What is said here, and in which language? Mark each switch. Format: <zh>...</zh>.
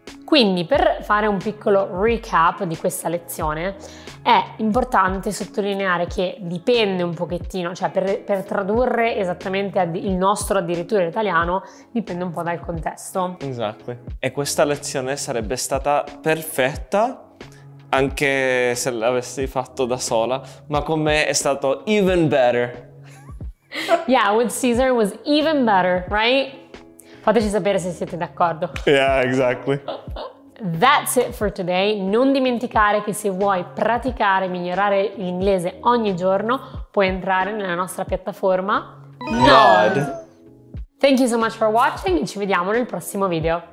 <it>Quindi per fare un piccolo recap di questa lezione, è importante sottolineare che dipende un pochettino, cioè per tradurre esattamente il nostro addirittura italiano, dipende un po' dal contesto. Esatto. E questa lezione sarebbe stata perfetta anche se l'avessi fatto da sola, ma con me è stato</it> <en>even better. Yeah, with Caesar was even better, right?</en> <it>Fateci sapere se siete d'accordo.</it> <en>Yeah, exactly. That's it for today.</en> <it>Non dimenticare che se vuoi praticare e migliorare l'inglese ogni giorno, puoi entrare nella nostra piattaforma Nod.</it> <en>Thank you so much for watching</en> <it>e ci vediamo nel prossimo video.</it>